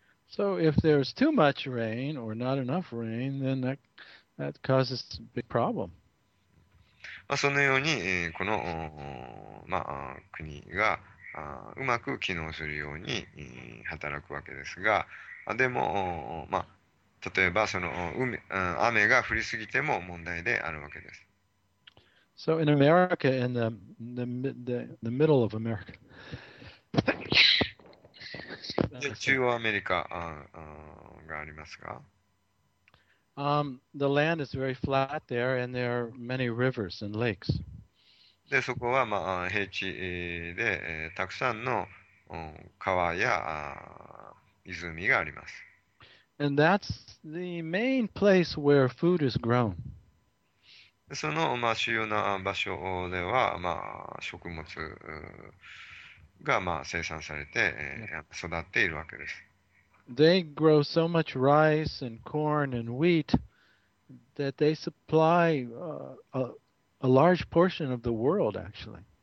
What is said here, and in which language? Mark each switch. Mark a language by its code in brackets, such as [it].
[en] So if there's too much rain or not enough rain, then that causes a big problem. [ja] まあ、そのように、この、まあ、国がうまく機能するように働くわけですが、でも、まあ、例えばその雨が降りすぎても問題であるわけです。 [en] So in America, in the middle of America. [ja] で、中央アメリカがありますか？ [en] The land is very flat there, and there are many rivers and lakes. [ja] で、そこは、まあ、平地で、たくさんの、川や、湖があります。 [en] And that's the main place where food is grown. [ja] その、まあ、主要な場所では、まあ、食物が、まあ、生産されて、育っているわけです。 [en] They grow so much rice and corn and wheat that they supply a large portion of the world, actually.